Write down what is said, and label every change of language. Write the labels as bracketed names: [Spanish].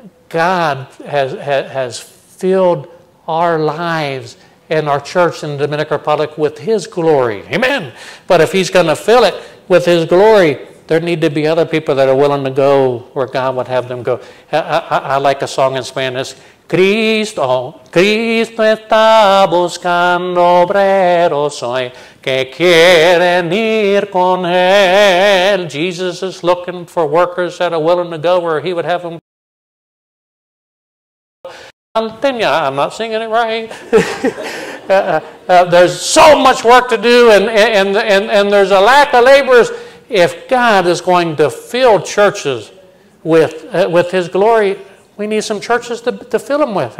[English] God has filled our lives and our church in the Dominican Republic with His glory. Amen. But if He's going to fill it with His glory, there need to be other people that are willing to go where God would have them go. I like a song in Spanish. [Spanish] Cristo, Cristo está buscando obreros hoy que quieren ir con él. [English] Jesus is looking for workers that are willing to go where He would have them. I'm not singing it right. There's so much work to do, and there's a lack of laborers. If God is going to fill churches with His glory, we need some churches to fill them with.